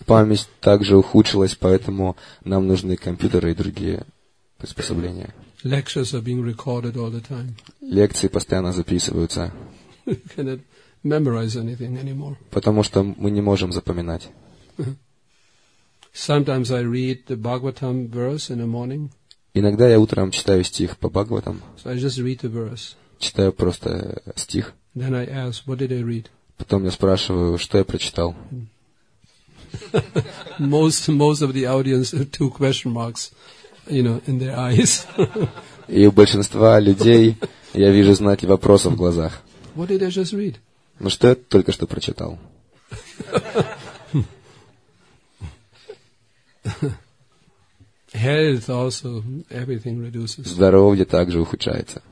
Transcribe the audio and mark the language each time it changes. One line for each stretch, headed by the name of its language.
Russian: Память также ухудшилась, поэтому нам нужны компьютеры и другие приспособления.
English: Lectures are being recorded all the time.
Russian: Лекции постоянно записываются.
English: You cannot memorize anything anymore.
Russian: Потому что мы не можем запоминать.
English: Sometimes I read the Bhagavatam verse in the morning.
Russian: Иногда я утром читаю стих по Бхагаватам.
English: So I just read the verse.
Russian: Читаю просто стих.
English: Then I ask, what did I read?
Russian: Потом я спрашиваю, что я прочитал.
English: Most of the audience have two question marks, you know, in their eyes.
Russian: И у большинства людей я вижу знаки вопроса в глазах.
English: What did I just read?
Russian: Ну что я только что прочитал?
English: Health also, everything reduces.
Russian: Здоровье также ухудшается.